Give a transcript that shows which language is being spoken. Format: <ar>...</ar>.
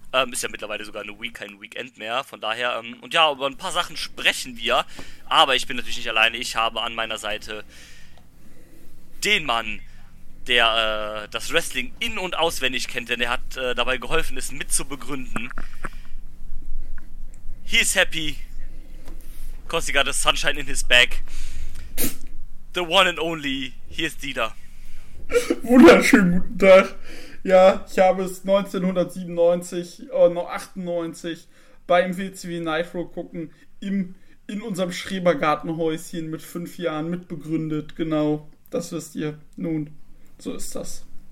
<de>Ist ja mittlerweile sogar eine Week, kein Weekend mehr. Von daher, und ja, über ein paar Sachen sprechen wir. Aber ich bin natürlich nicht alleine. Ich habe an meiner Seite den Mann, der das Wrestling in- und auswendig kennt. Denn er hat dabei geholfen, es mitzubegründen.</de> <en>He's happy. Cause he got the sunshine in his bag. The one and only.</en> <de>Hier ist</de> <en>Dieter.</en> <de>Wunderschönen guten Tag. Ja, ich habe es 1997, 98 beim WCW Nitro gucken in unserem Schrebergartenhäuschen mit 5 Jahren mitbegründet. Genau, das wisst ihr. Nun, so ist das.</de>